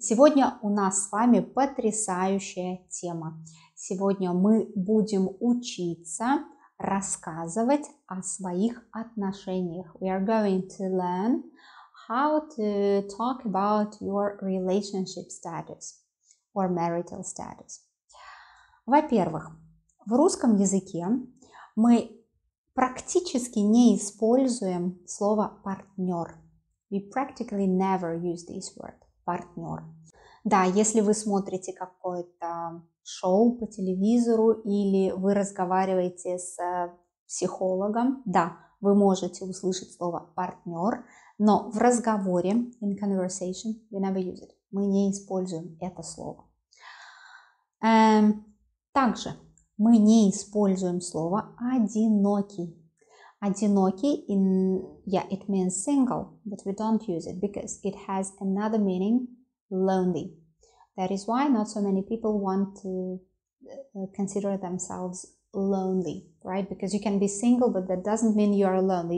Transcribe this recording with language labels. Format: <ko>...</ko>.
<ru>Сегодня у нас с вами потрясающая тема. Сегодня мы будем учиться рассказывать о своих отношениях.</ru> <en>We are going to learn how to talk about your relationship status or marital status.</en> <ru>Во-первых, в русском языке мы практически не используем слово «партнер».</ru> <en>We practically never use this word. Партнер.</en> <ru>Да, если вы смотрите какое-то шоу по телевизору или вы разговариваете с психологом, да, вы можете услышать слово партнер, но в разговоре,</ru> <en>in conversation, we never use it.</en> <ru>Мы не используем это слово. Также мы не используем слово одинокий. Одинокий,</ru> <en>it means single, but we don't use it because it has another meaning, lonely. That is why not so many people want to consider themselves lonely, right? Because you can be single, but that doesn't mean you are lonely.</en>